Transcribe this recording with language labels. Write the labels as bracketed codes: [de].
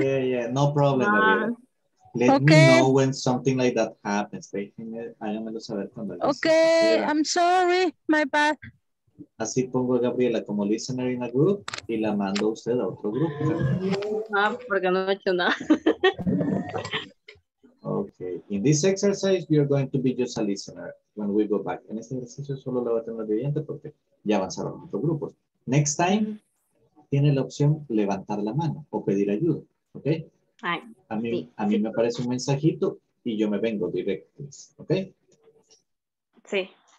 [en] Yeah, yeah, no problem. Ah. Let okay. me know when something like that happens. [es] Háganmelo saber cuando. [en] Okay, I'm sorry, my bad. [es] Así pongo a Gabriela como [en] listener in a group [es] y la mando usted a otro grupo. Ah, porque no he hecho nada. [en] Okay, in this exercise you're going to be just a listener when we go back. [es] En este ejercicio solo la va a tener de oyente porque ya avanzaron otros grupos. [en] Next time [es] tiene la opción levantar la mano o pedir ayuda, ¿okay? Ay, a mí me aparece un mensajito y yo me vengo directo, ¿ok? Sí.